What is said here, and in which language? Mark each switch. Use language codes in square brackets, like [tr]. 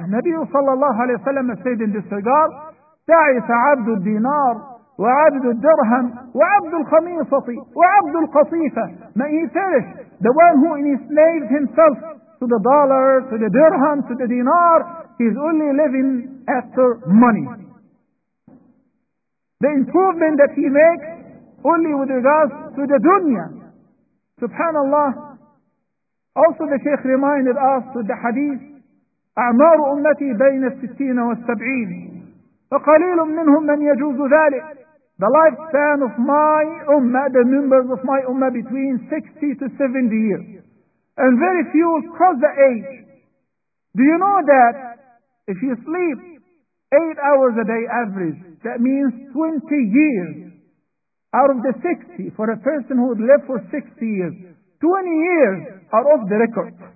[en] And Nabi sallallahu alayhi wa sallam said in this regard, [ar] ta'isa abdu dinar, وعبد الدرهم وعبد الخميصة وعبد القصيفة. [en] May he perish. The one who enslaved himself to the dollar, to the dirham, to the dinar, he's only living after money. The improvement that he makes only with regards to the dunya. SubhanAllah. Also the Shaykh reminded us to the hadith, [ar] أعمار أمتي بين الستين والسبعين فقليل منهم من يجوز ذلك. [en] The lifespan of my ummah, the members of my ummah, between 60 to 70 years. And very few cross the age. Do you know that if you sleep 8 hours a day average, that means 20 years out of the 60, for a person who would live for 60 years, 20 years are off the record.